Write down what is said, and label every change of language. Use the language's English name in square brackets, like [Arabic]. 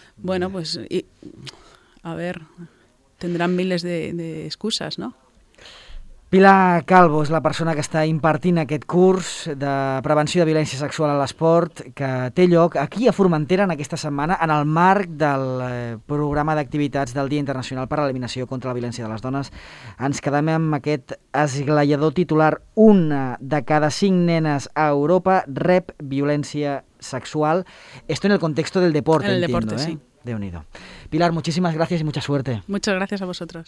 [Spanish] Bueno, pues tendrán miles de excusas, ¿no? [Catalan] Pilar Calvo és la persona que està impartint aquest curs de prevenció de violència sexual a l'esport que té lloc aquí a Formentera en aquesta setmana en el marc del programa d'activitats del Dia Internacional per a l'Eliminació contra la Violència de les Dones. Ens quedem amb aquest esglaiador titular: una de cada cinc nenes a Europa rep violència sexual. [Spanish] Esto en el contexto del deporte, entiendo. En el deporte, sí. [Catalan] Déu-n'hi-do. [Spanish] Pilar, muchísimas gracias y mucha suerte. Muchas gracias a vosotros.